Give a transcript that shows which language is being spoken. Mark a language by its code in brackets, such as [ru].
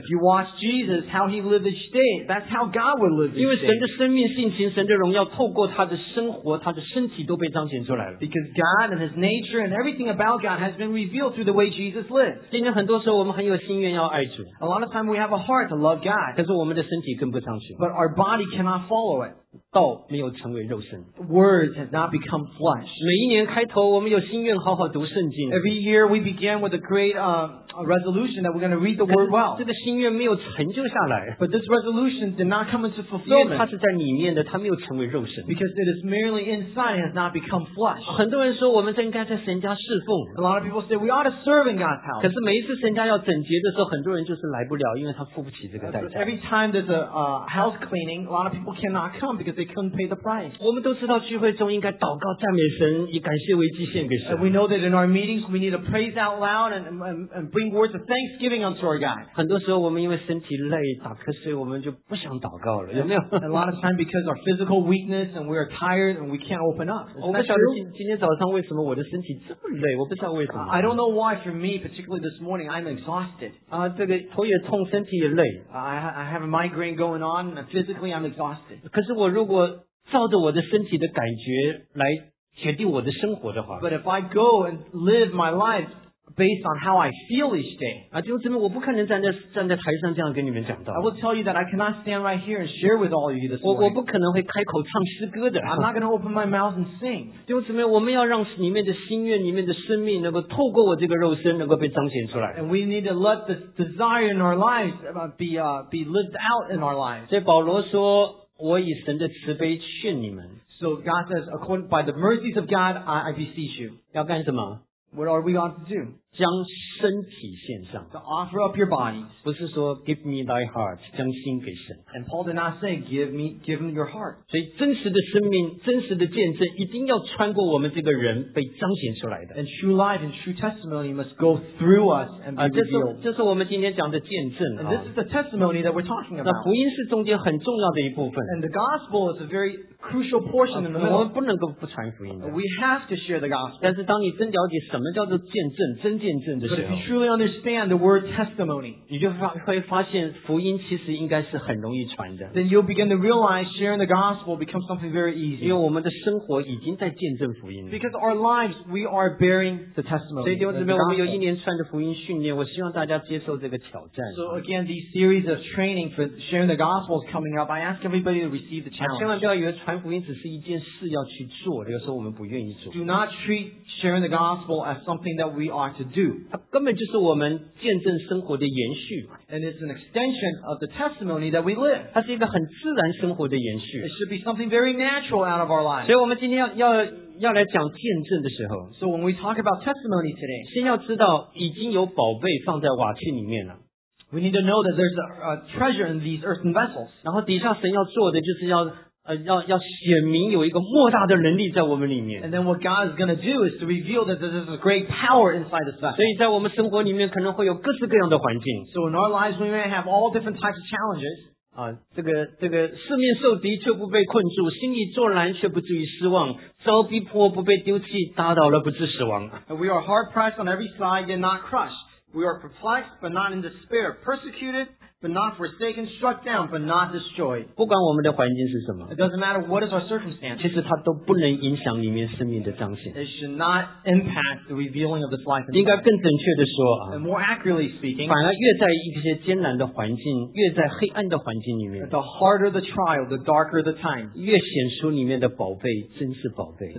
[en] If you watch Jesus, how he lived each day, that's how God would live each day. [zh] 因为神的生命、性情、神的荣耀，透过他的生活、他的身体都被彰显出来了。 [en] Because God and his nature and everything about God has been revealed through the way Jesus lived. [zh] 今天很多时候我们很有心愿要爱主。 [en] A lot of time we have a heart to love God. [zh] 但是我们的身体更不彰显。 [en] But our body cannot follow it. [zh] 道没有成为肉身。 [en] Words have not become flesh. [zh] 每一年开头，我们有心愿好好读圣经。 [en] Every year we began with a great resolution that we're going to read the word well. [zh] 这个心愿没有成就下来。 [en] But this resolution did not come into fulfillment. [zh] 它是在里面的，它没有成为肉身。 [en] Because it is merely inside and has not become flesh. [zh] 很多人说我们应该在神家侍奉。 [en] A lot of people say we ought to serve in God's house. [zh] 可是每一次神家要整洁的时候，很多人就是来不了，因为他付不起这个代价。 [en] Every time there's a house cleaning, a lot of people cannot come. Because they couldn't pay the price. [zh] 我们都知道聚会中应该祷告赞美神，以感谢为祭献给神。 [en] We know that in our meetings we need to praise out loud and bring words of thanksgiving unto our God. [zh] 很多时候我们因为身体累打瞌睡，我们就不想祷告了，有没有？ [en] A lot of time because our physical weakness and we are tired and we can't open up. [zh] 我不晓得今天早上为什么我的身体这么累，我不知道为什么。 [en] I don't know why for me particularly this morning I'm exhausted. [zh] 这个头也痛，身体也累。 [en] I have a migraine going on and physically I'm exhausted. [zh] 可是我如果照着我的身体的感觉来决定我的生活的话 [en] But if I go and live my life based on how I feel each day [zh] 弟兄姊妹，我不可能站在台上这样跟你们讲道 [en] I will tell you that I cannot stand right here and share with all of you this morning [zh] 我不可能会开口唱诗歌的 [en] I'm not going to open my mouth and sing [zh] 弟兄姊妹，我们要让里面的心愿里面的生命能够透过我这个肉身能够被彰显出来 [en] And we need to let the desire in our lives be lived out in our lives [zh] 所以保罗说我以神的慈悲劝你们。 [en] So God says, according by the mercies of God, I beseech you. [zh] 要干什么？ [en] What are we going to do? [zh] 将身体献上。 [en] To offer up your body. [zh] 不是说 [en] give me thy heart, [zh] 将心给神。 [en] And Paul did not say, give me your heart. [zh] 所以真实的生命，真实的见证，一定要穿过我们这个人被彰显出来的。 [en] And true life and true testimony must go through us and be revealed. [zh] 这是我们今天讲的见证。 [en] And this is the testimony that we're talking about. [zh] 那福音是中间很重要的一部分。 [en] And the gospel is a very crucial portion in the middle. [zh] 我们不能够不传福音的。 [en] We have to share the gospel. [zh] 但是当你真了解什么叫做见证，真见证的时候。 [en] But if you truly understand the word testimony, [zh] 你就会发现福音其实应该是很容易传的。 [en] Then you'll begin to realize sharing the gospel becomes something very easy. [zh] 因为我们的生活已经在见证福音了。 [en] Because our lives, we are bearing the testimony. [zh] 所以弟兄姊妹，我们有一连串的福音训练，我希望大家接受这个挑战。 [en] So again, these series of training for sharing the gospel is coming up. I ask everybody to receive the challenge. [zh] 千万不要以为传福音只是一件事要去做，有时候我们不愿意做。 [en] Do not treat sharing the gospel as something that we are to do. [zh] 它根本就是我们见证生活的延续。 [en] And it's an extension of the testimony that we live. [zh] 它是一个很自然生活的延续。 [en] It should be something very natural out of our lives. [zh] 所以我们今天要来讲见证的时候， [en] So when we talk about testimony today, [zh] 先要知道已经有宝贝放在瓦器里面了。 [en] We need to know that there's a treasure in these earthen vessels. [zh] 然后底下神要做的就是要显明有一个莫大的能力在我们里面。 [en] And then what God is going to do is to reveal that there's a great power inside this vessel. [zh] 所以在我们生活里面可能会有各式各样的环境。 [en] So in our lives, we may have all different types of challenges. [zh] 啊，这个四面受敌却不被困住，心里作难却不至于失望，遭逼迫不被丢弃，打倒了不至死亡。 [en] And we are hard pressed on every side yet not crushed. We are perplexed, but not in despair. Persecuted, but not forsaken. Struck down, but not destroyed. [zh] 不管我们的环境是什么， [en] It doesn't matter what is our circumstance. [zh] 其实它都不能影响里面生命的彰显。 [en] It should not impact the revealing of this life. [zh] 应该更准确的说啊， [en] And more accurately speaking, [zh] 反而越在一些艰难的环境，越在黑暗的环境里面， [en] The harder the trial, the darker the time. [zh] 越显出里面的宝贝真是宝贝。